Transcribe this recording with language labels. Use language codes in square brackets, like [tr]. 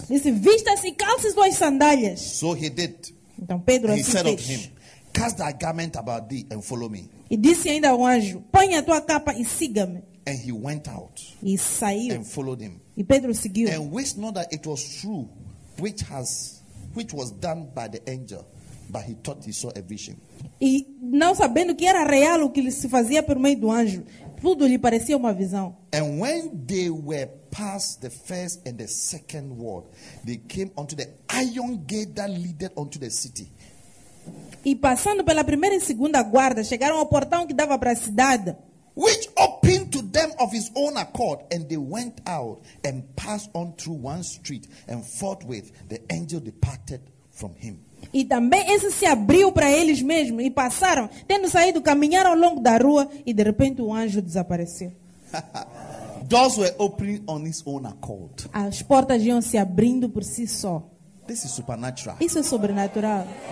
[pt] Disse, vista-se e calça as tuas sandálias. [en] So he did. [pt] Então Pedro assim fez. [en] He said unto him. Cast thy garment about thee and follow me. [pt] E disse ainda ao anjo. Põe a tua capa e siga-me. [en] And he went out. [pt] E saiu. [en] And followed him. [pt] E Pedro seguiu. [en] And wist not that it was true, which was done by the angel. But he thought he saw a vision. [pt] E não sabendo que era real o que ele se fazia por meio do anjo, tudo lhe parecia uma visão. [en] And when they were past the first and the second ward, they came unto the iron gate that led unto the city. [pt] E passando pela primeira e segunda guarda, chegaram ao portão que dava para a cidade. [en] Which opened to them of his own accord, and they went out and passed on through one street, and forthwith the angel departed from him. [pt] E também esse se abriu para eles mesmos e passaram, tendo saído, caminharam ao longo da rua e de repente o anjo desapareceu. [en] Doors were opening on his own accord. [pt] As portas iam se abrindo por si só. [en] This is supernatural. [pt] Isso é sobrenatural.